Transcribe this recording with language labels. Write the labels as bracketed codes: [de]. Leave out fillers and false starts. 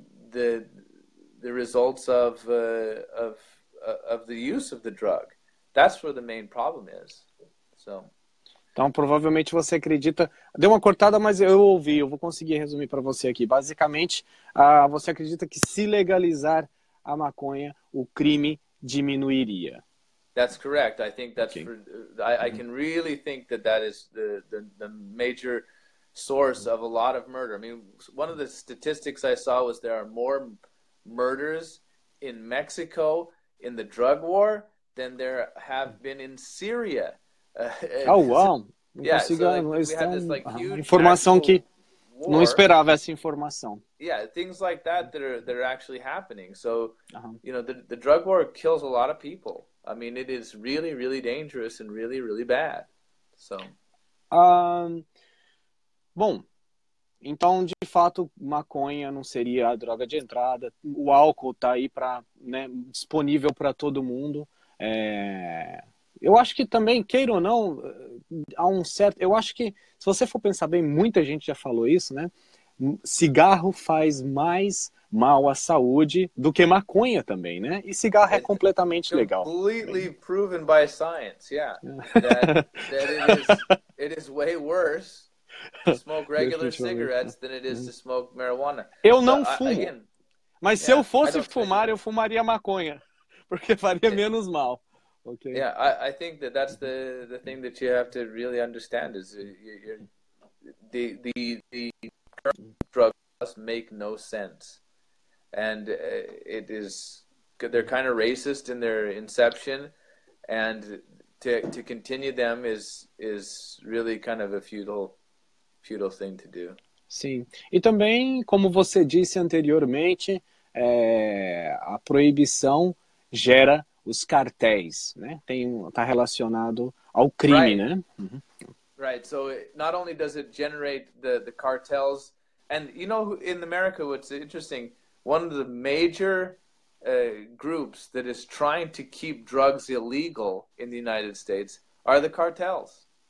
[en] the results of the use of the drug. That's where the main problem is. So, [pt] Então, provavelmente você acredita. Deu uma cortada, mas eu ouvi, eu vou conseguir resumir para você aqui. Basicamente, você acredita que se legalizar a maconha, o crime diminuiria. [en] That's correct. I think that's okay. I can really think that that is the major source of a lot of murder. I mean, one of the statistics I saw was there are more murders in Mexico in the drug war than there have been in Syria. Oh, wow. Well. Yeah, so like, we have this like huge [pt] informação que [en] war. [pt] Não esperava essa informação. [en] Yeah, things like that are actually happening. So, you know, the drug war kills a lot of people. I mean, it is really, really dangerous and really, really bad. So, [pt] bom, então, de fato, maconha não seria a droga de entrada. O álcool está aí para, né, disponível para todo mundo. É... Eu acho que também, queira ou não, há um certo... Eu acho que, se você for pensar bem, muita gente já falou isso, né? Cigarro faz mais mal à saúde do que maconha também, né? E cigarro é completamente legal. [en] Completely proven by science, yeah. That it is way worse to smoke regular cigarettes than it is to smoke marijuana. [pt] Eu não fumo. [en] Again, [pt] mas se eu fosse fumar, eu fumaria maconha, porque faria menos mal. [en] Okay. Yeah, I think that that's the thing that you have to really understand is the current drug does make no sense. And it is, they're kind of racist in their inception, and to continue them is really kind of a futile thing to do. [pt] Sim, e também, como você disse anteriormente, a proibição gera os cartéis, né? Tá relacionado ao crime, [en] right. [pt] Né? Uhum. [en] Right, so not only does it generate the cartels, and you know, in America, what's interesting, one of the major groups that is trying to keep drugs illegal in the United States are the cartels.